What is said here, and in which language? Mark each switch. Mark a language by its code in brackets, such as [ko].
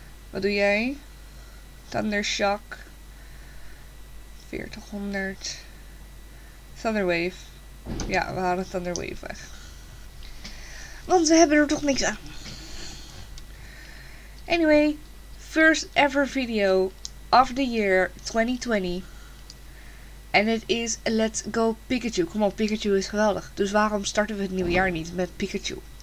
[nl] Wat doe jij? Thundershock. 4000. Thunderwave. Ja, we halen Thunderwave weg. Want we hebben er toch niks aan. [en] Anyway, first ever video of the year 2020. [nl] En het is Let's Go Pikachu. Kom op, Pikachu is geweldig. Dus waarom starten we het nieuwe jaar niet met Pikachu?